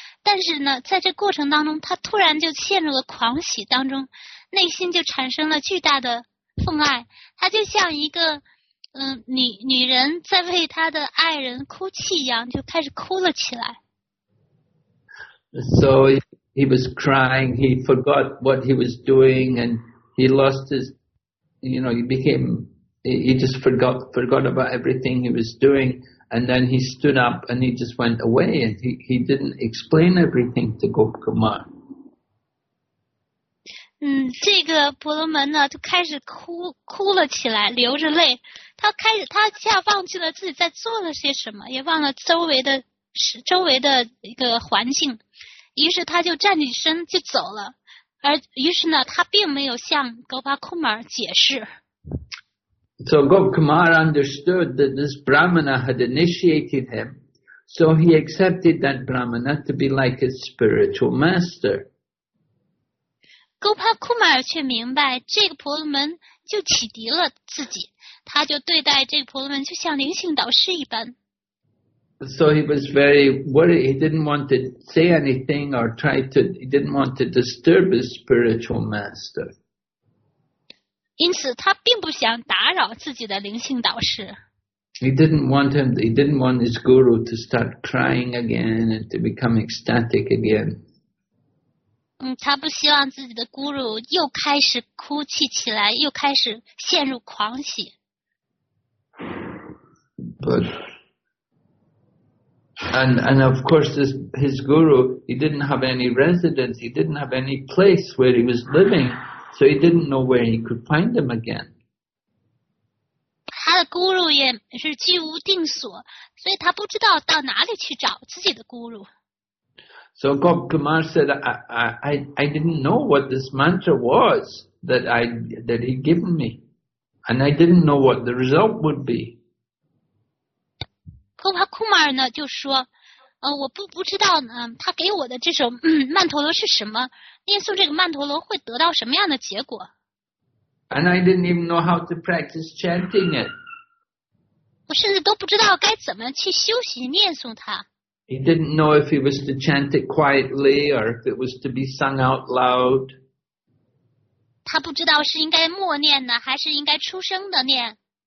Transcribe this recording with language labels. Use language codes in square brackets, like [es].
[zh] 但是呢，在这过程当中，他突然就陷入了狂喜当中，内心就产生了巨大的父爱。他就像一个女人在为他的爱人哭泣一样，就开始哭了起来。 [en] So he was crying, he forgot what he was doing, and he lost his, you know, he just forgot about everything he was doing, and then he stood up and he just went away, and he didn't explain everything to Gopal Kumar. [zh] 这个婆罗门呢就开始哭了起来，流着泪，他下放弃了自己在做了些什么，也忘了周围的一个环境，于是他就站起身就走了，而于是呢，他并没有向 Gopal Kumar 解释。 [en] So Gopal Kumar understood that this Brahmana had initiated him, so he accepted that Brahmana to be like his spiritual master. [zh] Gopal Kumar 却明白这个婆罗门就启迪了自己，他就对待这个婆罗门就像灵性导师一般。 [en] So he was very worried. He didn't want to say anything or try to, he didn't want to disturb his spiritual master. [zh] 因此他并不想打扰自己的灵性导师。 [en] He didn't want his guru to start crying again and to become ecstatic again. [zh] 他不希望自己的 guru 又开始哭泣起来，又开始陷入狂喜。 [en] And of course, his guru, he didn't have any residence, he didn't have any place where he was living, so he didn't know where he could find him again. [zh] 他的 guru 也是居无定所，所以他不知道到哪里去找自己的 guru. [en] So Gopal Kumar said, I didn't know what this mantra was that he'd given me, and I didn't know what the result would be. [zh] Gopal Kumar 呢就说，我不知道呢，他给我的这首曼陀罗是什么？念诵这个曼陀罗会得到什么样的结果 [en] ？And I didn't even know how to practice chanting it. [zh] 我甚至都不知道该怎么去修习念诵它。 [en] He didn't know if he was to chant it quietly or if it was to be sung out loud. [zh] 他不知道是应该默念呢，还是应该出声的念